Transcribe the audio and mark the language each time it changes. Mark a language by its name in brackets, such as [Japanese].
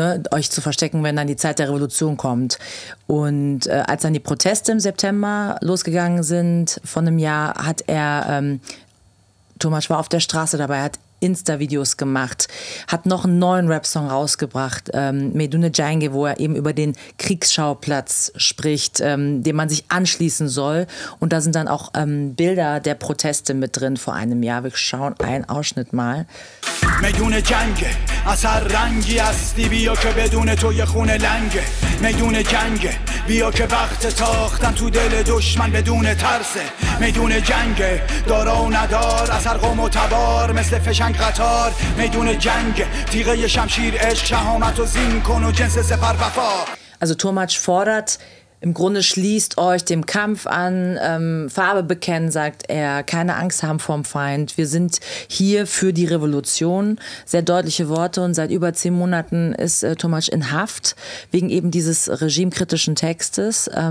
[German] Euch zu verstecken, wenn dann die Zeit der Revolution kommt. Und als dann die Proteste im September losgegangen sind, von einem Jahr, hat er, Thomas war auf der Straße dabei, hat Insta-Videos gemacht, hat noch einen neuen Rap-Song rausgebracht, Medune Jange, wo er eben über den Kriegsschauplatz spricht, dem man sich anschließen soll. Und da sind dann auch Bilder der Proteste mit drin vor einem Jahr. Wir schauen einen Ausschnitt mal. [Persian] میدون جنگ از هر رنگی هستی بیا که بدون تو یه خونه لنگه میدون جنگ بیا که وقت تاختن تو دل دشمن بدون ترسه میدون جنگ دارا و ندار از هر قوم و تبار مثل فشنگ قطار میدون جنگ تیغه شمشیر عشق شهامت و زین کن و جنس سپر وفا. [German] Also Too Much fordert im Grunde, schließt euch dem Kampf an, Farbe bekennen, sagt er, keine Angst haben vorm Feind. Wir sind hier für die Revolution. Sehr deutliche Worte. Und seit über 10 Monaten ist Tomasz in Haft wegen eben dieses regimekritischen Textes.